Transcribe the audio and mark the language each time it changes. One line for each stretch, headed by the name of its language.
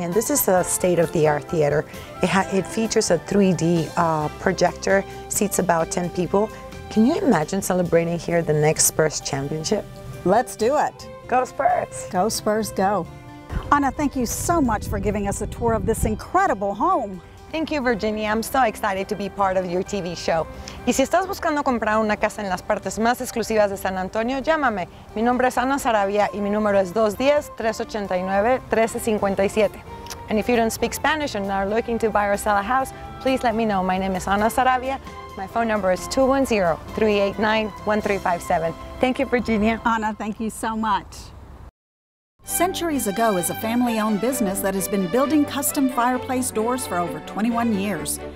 English: And this is a state-of-the-art theater. It features a 3D projector, seats about 10 people. Can you imagine celebrating here the next Spurs championship? Let's do it. Go Spurs. Go Spurs, go. Ana, thank you so much for giving us a tour of this incredible home. Thank you, Virginia. I'm so excited to be part of your TV show.
Spanish: Y si estás buscando comprar una casa en las partes más exclusivas de San Antonio, llámame. Mi nombre es Ana Sarabia y mi número es 210-389-1357.
English: And if you don't speak Spanish and are looking to buy or sell a house, please let me know. My name is Ana Sarabia. My phone number is 210-389-1357. Thank you, Virginia. Ana, thank you so much. Centuries Ago is a family-owned business that has been building custom fireplace doors for over 21 years.